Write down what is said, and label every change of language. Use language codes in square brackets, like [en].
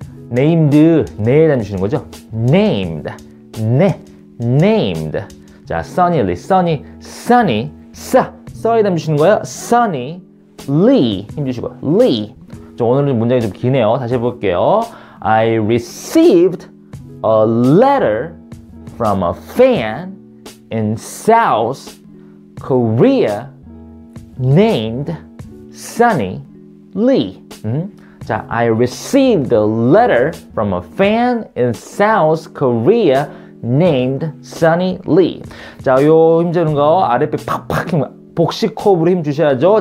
[ko] Named, 네 담주시는 거죠. Named, 네. Named. 자, Sunny Lee, Sunny. Sunny 담주시는 거예요. Sunny Lee 힘주시고요. Lee. 자, 오늘은 문장이 좀 기네요. 다시 해볼게요. [en] I received a letter from a fan in South Korea named Sunny Lee. 자, I received a letter from a fan in South Korea named Sunny Lee. [ko] 자, 요 힘 주는 거 아랫배 팍팍 힘, 복식호흡으로 힘 주셔야죠.